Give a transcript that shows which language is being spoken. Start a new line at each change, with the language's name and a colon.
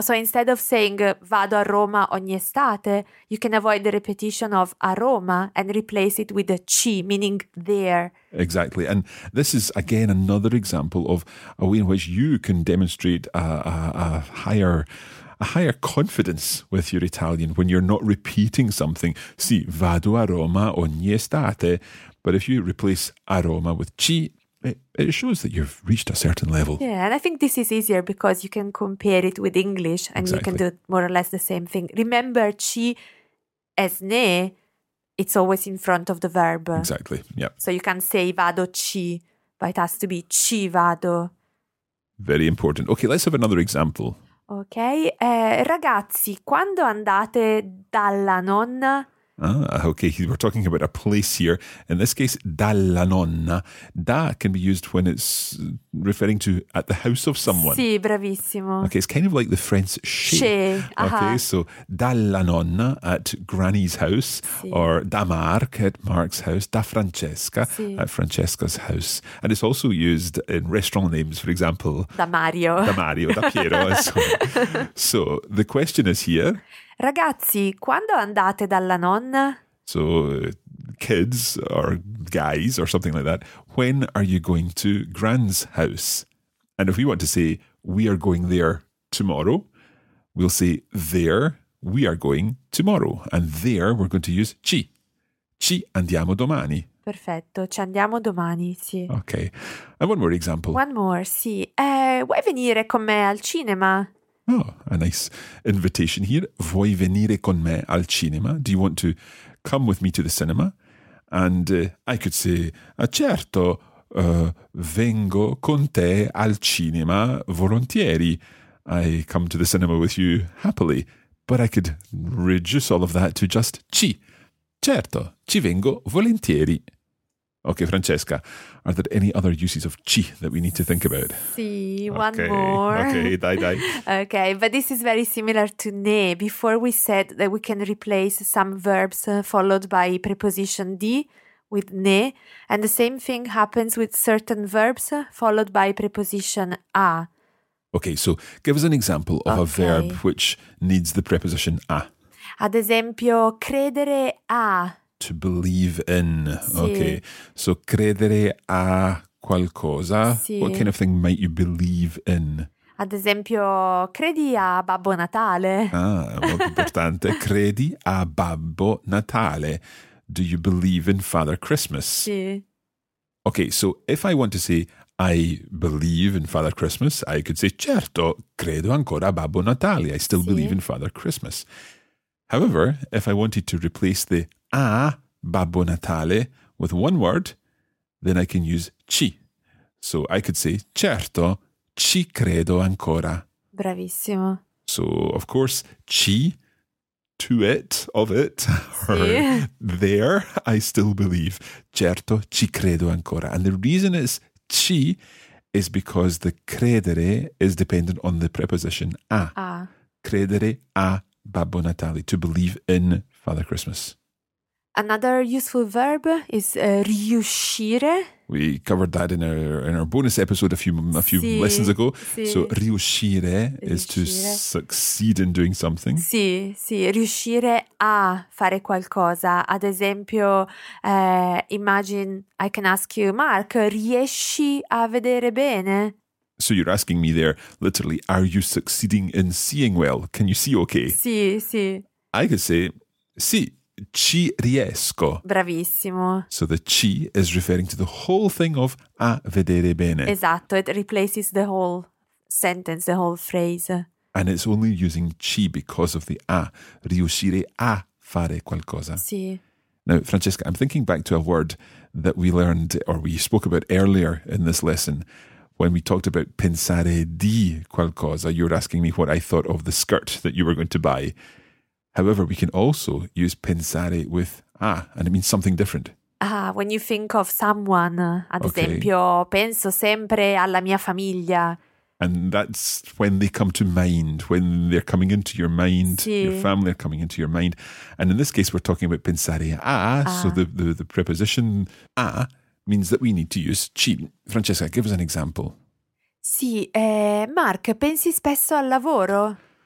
English: So instead of saying
Italian: vado a Roma ogni estate,
English: you can avoid the repetition of a Roma and replace it with a ci, meaning there. Exactly. And this is, again, another example of a way in which you can demonstrate a higher confidence with your Italian when you're not repeating something.
Italian: Sì, vado a Roma ogni estate.
English: But if you replace a Roma with ci, it shows that you've reached a certain level. Yeah, and I think this is easier because you can compare it with English and exactly. You can do more or less the same thing. Remember, ci as ne, it's always in front of the verb. Exactly, yeah. So you can say
Italian: vado ci,
English: but it has to be
Italian: ci vado.
English: Very important. Okay, let's have another example. Okay.
Italian: Ragazzi, quando andate dalla nonna...
English: Ah, okay, we're talking about a place here. In this case, dalla nonna. Da can be used when it's referring to at the house of someone.
Italian: Sì, bravissimo.
English: Okay, it's kind of like the French
French: che.
English: Okay, so dalla nonna at granny's house, or da Mark at Mark's house, da Francesca at Francesca's house. And it's also used in restaurant names, for example.
Italian: Da Mario,
English: da Piero. So the question is here.
Italian: Ragazzi, quando andate dalla nonna?
English: So, kids or guys or something like that, when are you going to Gran's house? And if we want to say, we are going there tomorrow, we'll say, there, we are going tomorrow. And there, we're going to use ci.
Italian: Ci andiamo domani. Perfetto, ci andiamo domani, sì.
English: Ok. And one more example. One more, sì.
Italian: Vuoi venire con me al cinema?
English: Oh, a nice invitation here.
Italian: Vuoi venire con me al cinema?
English: Do you want to come with me to the cinema? And I could say,
Italian: certo, vengo con te al cinema volentieri.
English: I come to the cinema with you happily. But I could reduce all of that to just ci.
Italian: Certo, ci vengo volentieri.
English: Okay, Francesca, are there any other uses of ci that we need to think about? Sì, one more.
Italian: Okay, dai.
English: Okay, but this is very similar to ne. Before we said that we can replace some verbs followed by preposition di with ne, and the same thing happens with certain verbs followed by preposition a. Okay, so give us an example of a verb which needs the preposition a.
Italian: Ad esempio, credere a...
English: To believe in.
Italian: Sì.
English: Okay. So
Italian: credere a qualcosa. Sì.
English: What kind of thing might you believe in?
Italian: Ad esempio, credi a Babbo Natale. Ah, molto importante. Credi a Babbo Natale.
English: Do you believe in Father Christmas?
Italian: Sì.
English: Okay, so if I want to say I believe in Father Christmas, I could say
Italian: certo, credo ancora a Babbo Natale.
English: I still believe in Father Christmas. However, if I wanted to replace the a Babbo Natale with one word, then I can use ci. So I could say,
Italian: certo, ci credo ancora. Bravissimo.
English: So, of course, ci, to it, of it, or there, I still believe.
Italian: Certo, ci credo ancora.
English: And the reason is ci is because the credere is dependent on the preposition a.
Italian: A. Credere a Babbo Natale,
English: to believe in Father Christmas. Another useful verb is riuscire. We covered that in our bonus episode a few si, lessons ago. Si. So riuscire is to succeed in doing something.
Italian: Sì, sì, riuscire a fare qualcosa. Ad esempio,
English: imagine I can ask you,
Italian: Mark, riesci a vedere bene?
English: So you're asking me there, literally, are you succeeding in seeing well? Can you see okay?
Italian: Sì, sì.
English: I could say,
Italian: sì. Ci riesco. Bravissimo.
English: So the ci is referring to the whole thing of a vedere bene. Esatto, it replaces the whole sentence, the whole phrase. And it's only using ci because of the a,
Italian: riuscire a fare qualcosa. Sì.
English: Now, Francesca, I'm thinking back to a word that we learned or we spoke about earlier in this lesson when we talked about pensare di qualcosa. You were asking me what I thought of the skirt that you were going to buy. However, we can also use pensare with a, and it means something different. When you think of someone,
Italian: ad esempio, penso sempre alla mia famiglia.
English: And that's when they come to mind, when they're coming into your mind,
Italian: sì.
English: Your family are coming into your mind. And in this case, we're talking about pensare a, so the preposition a means that we need to use ci. Francesca, give us an example.
Italian: Sì, Mark, pensi spesso al lavoro?